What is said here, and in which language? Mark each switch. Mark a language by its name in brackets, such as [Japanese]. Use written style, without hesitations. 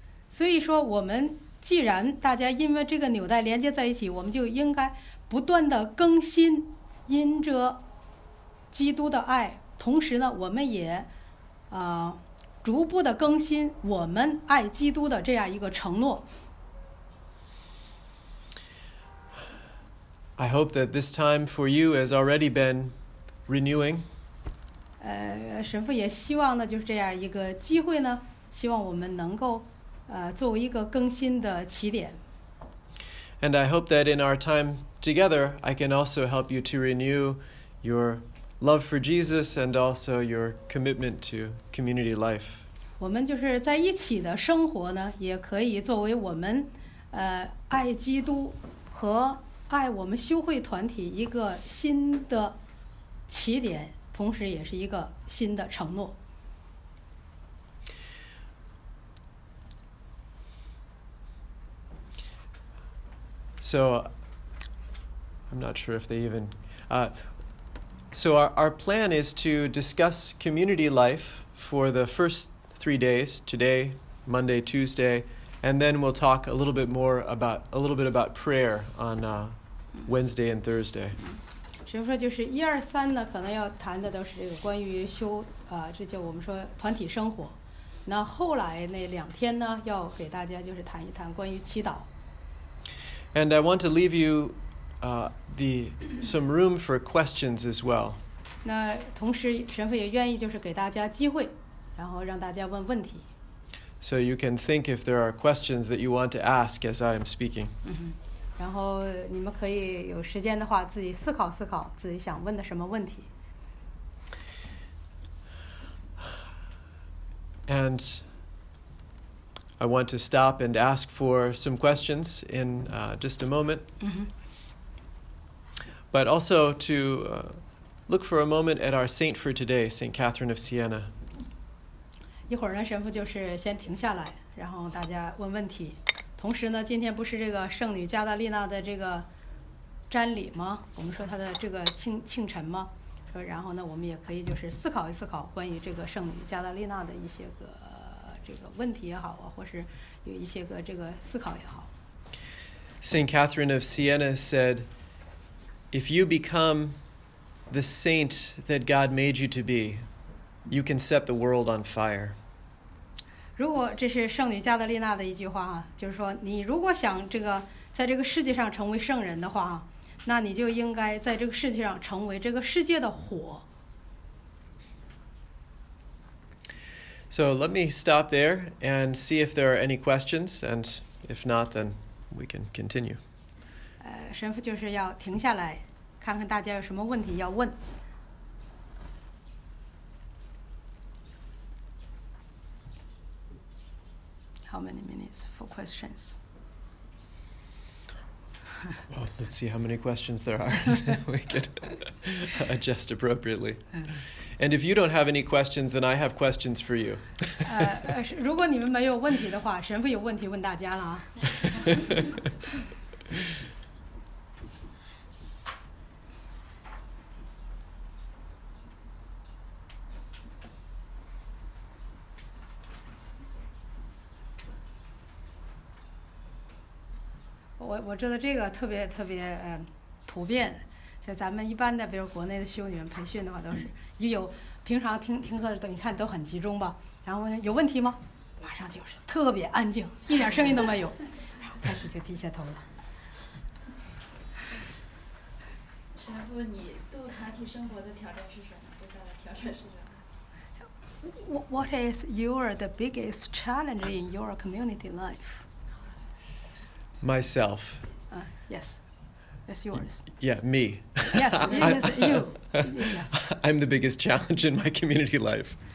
[Chinese] 所以说，我们既然大家因为这个纽带连接在一起，我们就应该不断的更新，因着基督的爱，同时呢，我们也逐步的更新我们爱基督的这样一个承诺。 [English] I hope that this time for you has already been renewing. [Chinese] 神父也希望呢，就是这样一个机会呢，希望我们能够作为一个更新的起点。 [English] And I hope that in our time together, I can also help you to renew your love for Jesus and also your commitment to community life. [Chinese] 我们就是在一起的生活呢，也可以作为我们爱基督和爱我们修会团体一个新的起点，同时也是一个新的承诺。 [English] So, I'm not sure if they even. So our plan is to discuss community life for the first 3 days, today, Monday, Tuesday, and then we'll talk a little bit about prayer on Wednesday and Thursday. [Chinese] 所以说就是一二三呢，可能要谈的都是这个关于修这叫我们说团体生活。那后来那两天呢，要给大家就是谈一谈关于祈祷。 [English] And I want to leave you some room for questions as well. [Chinese] 那同时神父也愿意就是给大家机会，然后让大家问问题。 [English] So you can think if there are questions that you want to ask as I am speaking. [Chinese] 然后你们可以有时间的话自己思考思考自己想问的什么问题。 [English] And I want to stop and ask for some questions in just a moment. Mm-hmm. But also to look for a moment at our saint for today, St. Catherine of Siena. [Chinese] 一会儿呢，神父就是先停下来，然后大家问问题。同时呢，今天不是这个圣女加达利娜的这个瞻礼吗？我们说她的这个庆辰吗？说然后呢，我们也可以就是思考一思考关于这个圣女加达利娜的一些个这个问题也好啊，或是有一些个这个思考也好。 [English] Saint Catherine of Siena said, "If you become the saint that God made you to be." You can set the world on fire. [Chinese] 如果这是圣女加德丽娜的一句话啊，就是说你如果想这个在这个世界上成为圣人的话啊，那你就应该在这个世界上成为这个世界的火。 [English] So let me stop there and see if there are any questions, and if not, then we can continue. [Chinese] 神父就是要停下来，看看大家有什么问题要问。 [English] How many minutes for questions? Well, let's see how many questions there are. We can adjust appropriately. And if you don't have any questions, then I have questions for you. [Chinese] 如果你们没有问题的话，神父有问题问大家了啊。我知道这个特别特别普遍，在咱们一般的，比如国内的修女们培训的话，都是有平常听课的，你看都很集中吧。然后有问题吗？马上就是特别安静，一点声音都没有，然后开始就低下头了。神父，你对团体生活的挑战是什么？最大的挑战是什么？ [English] What is your the biggest challenge in your community life? Myself. Yes, yours. Yeah, me. Yes, it is you. Yes. I'm the biggest challenge in my community life.